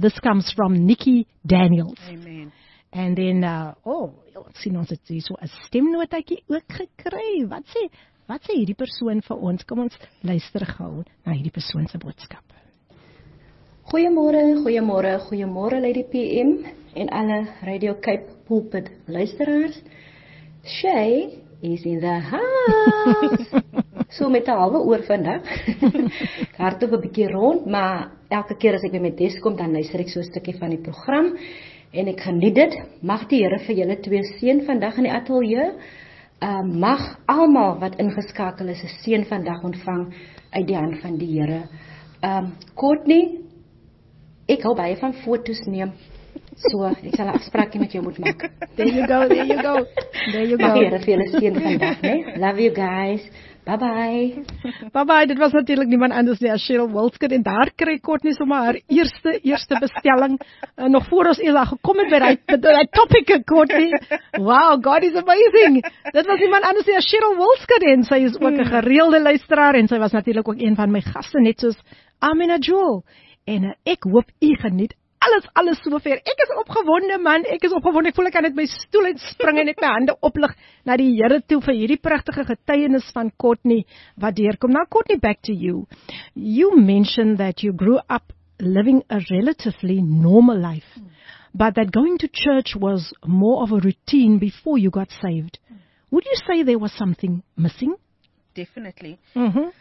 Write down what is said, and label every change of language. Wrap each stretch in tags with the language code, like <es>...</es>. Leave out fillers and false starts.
<en>This comes from Nikki Daniels. Amen.</en> <af>En dan, ons sien ons het hier so 'n stemnotetjie ook gekry. Wat sê hierdie persoon vir ons? Kom ons luister gou na hierdie persoon se boodskap. Goeiemôre, goeiemôre, goeiemôre Lady PM en alle Radio Cape Pulpit luisteraars.</af> <en>Shay is in the house.</en> <af>So met 'n halwe oor vandag. Hartop 'n bietjie rond, maar elke keer as ek by my desk kom, dan luister ek so 'n stukkie van die program. En ek geniet dit. Mag die Here vir julle twee seën vandag in die ateljee. Mag almal wat ingeskakel is 'n seën vandag ontvang uit die hand van die Here. Courtney, ek hou baie van foto's neem. So, ek sal 'n afspraak met jou moet maak.</af> <en>There you go, there you go. There you go.</en> <af>Mag die Here vir julle seën vandag, né?</af> <en>Love you guys. Bye bye. Bye bye.</en> <af>Dit was natuurlik niemand anders nie as Cheryl Wilskut en daar kry Courtney sommer haar eerste bestelling nog voor ons Ella gekom het by daai topic Courtney.</af> <en>Wow, God is amazing.</en> <af>Dit was niemand anders nie as Cheryl Wilskut en sy is ook 'n gereelde luisteraar en sy was natuurlik ook een van my gaste net soos Amina Jewel. En ek hoop u geniet alles sover. Ek is opgewonde man, ek is opgewonde. Ek voel ek kan net my stoel uitspring en ek my hande oplig na die Here toe vir hierdie pragtige getuienis van Courtney wat deurkom.</af> <en>Now Courtney, back to you. You mentioned that you grew up living a relatively normal life, but that going to church was more of a routine before you got saved. Would you say there was something missing? Definitely. Mm-hmm.</en>